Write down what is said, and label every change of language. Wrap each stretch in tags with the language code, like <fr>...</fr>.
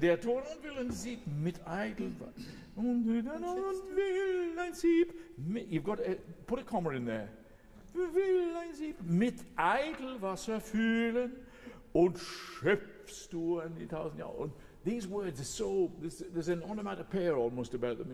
<de>Der Tor und will ein Sieb mit Eitelwasser. Und dann will ein Sieb.</de> <en>You've got to put a comma in there.</en> <de>Will ein Sieb mit Eitelwasser fühlen und schöpfst du an die tausend Jahre.</de> <en>Und these words are so, there's an onomatopoeia almost about them.</en>